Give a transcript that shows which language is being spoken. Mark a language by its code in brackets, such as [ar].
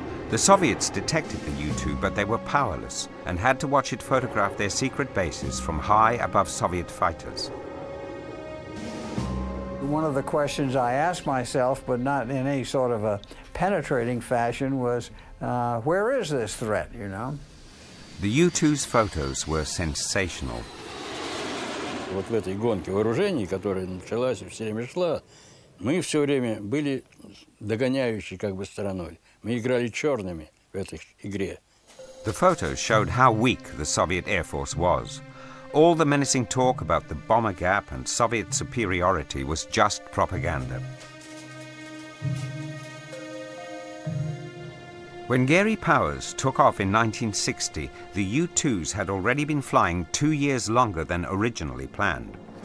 [en] The Soviets detected the U-2, but they were powerless and had to watch it photograph their secret bases from high above Soviet fighters. One of the questions I asked myself, but not in any sort of a penetrating fashion, was where is this threat, you know? The U-2's photos were sensational. [ru] Вот в этой гонке вооружений, которая началась и все время шла, мы все время были догоняющей как бы стороной. Мы играли черными в этой игре. [en] The photos showed how weak the Soviet Air Force was. All the menacing talk about the bomber gap and Soviet superiority was just propaganda. When Gary Powers took off in 1960, the U-2s had already been flying 2 years longer than originally planned.